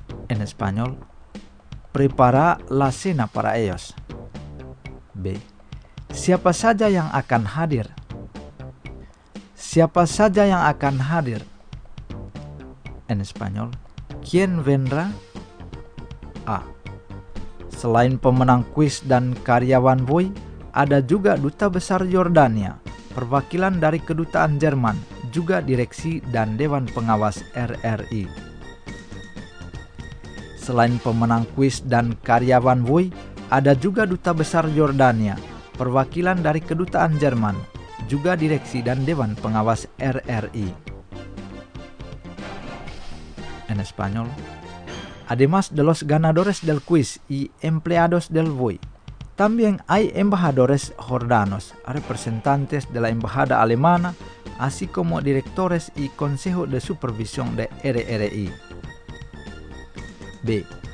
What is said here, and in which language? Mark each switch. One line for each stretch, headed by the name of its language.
Spanish: En español, prepara la cena para ellos. B.
Indonesian: Siapa saja yang akan hadir? Siapa saja yang akan hadir?
Spanish: En español, ¿quién vendrá? A.
Indonesian: Selain pemenang kuis dan karyawan Boy, ada juga duta besar Yordania, perwakilan dari kedutaan Jerman, juga direksi dan dewan pengawas RRI. Selain pemenang kuis dan karyawan Boy, ada juga duta besar Yordania, perwakilan dari kedutaan Jerman, juga direksi dan dewan pengawas RRI.
Spanish: En español. Además de los ganadores del quiz y empleados del VOI, también hay embajadores jordanos, representantes de la embajada alemana, así como directores y consejo de supervisión de RRI. B.